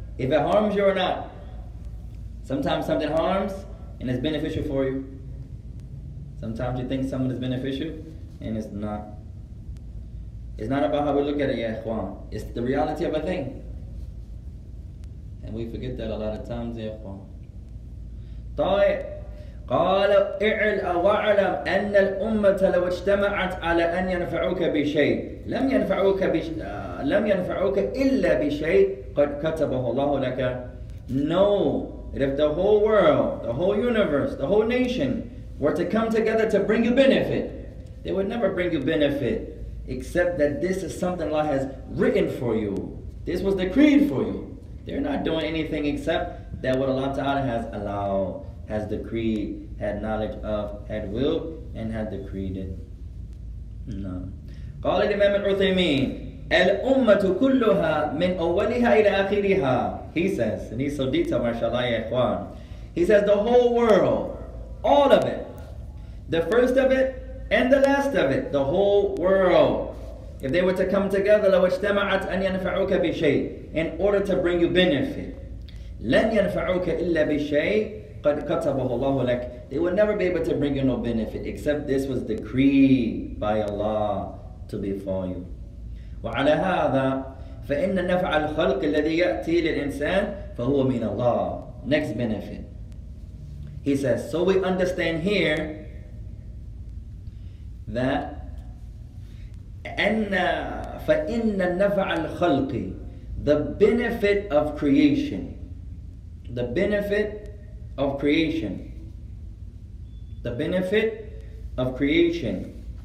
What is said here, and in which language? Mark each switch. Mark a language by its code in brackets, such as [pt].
[en] If it harms you or not. Sometimes something harms and it's beneficial for you. Sometimes you think someone is beneficial and it's not. It's not about how we look at it, ya ikhwan. It's the reality of a thing. And we forget that a lot of times, ya ikhwan. [ar] طيب قال اعل او اعلم ان الامه لو اجتمعت على ان ينفعوك بشيء لم ينفعوك الا بشيء قد كتبه الله لك. [en] No. And if the whole world, the whole universe, the whole nation were to come together to bring you benefit, they would never bring you benefit except that this is something Allah has written for you. This was decreed for you. They're not doing anything except that what Allah Ta'ala has allowed, has decreed, had knowledge of, had willed, and had decreed it. No. [ar] قال الإمام العثيمين الأمة كلها من أولها إلى آخرها. [en] He says, and he's so detailed, mashallah, ya ikhwan. He says, the whole world, all of it, the first of it and the last of it, the whole world, if they were to come together, [ar] لو اجتمعت أن ينفعوك بشيء, [en] in order to bring you benefit, [ar] لن ينفعوك إلا بشيء قد كتبه الله لك. [en] They would never be able to bring you no benefit except this was decreed by Allah to befall you. [ar] وعلى هذا فإن نفع الخلق الذي يأتي للإنسان فهو من الله. [en] Next benefit. He says, so we understand here that [ar] أن فإن نفع الخلق, [en] the benefit of creation, the benefit of creation, the benefit of creation,